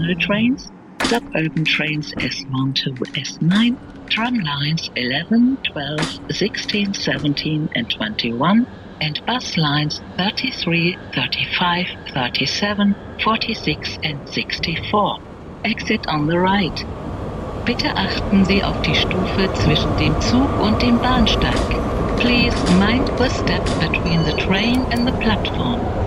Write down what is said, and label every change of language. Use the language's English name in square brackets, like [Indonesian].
[English] Urban trains S1 to S9, tram lines 11, 12, 16, 17 and 21, and bus lines 33, 35, 37, 46 and 64. Exit on the right. [German] Bitte achten Sie auf die Stufe zwischen dem Zug und dem Bahnsteig. [English] Please mind the step between the train and the platform.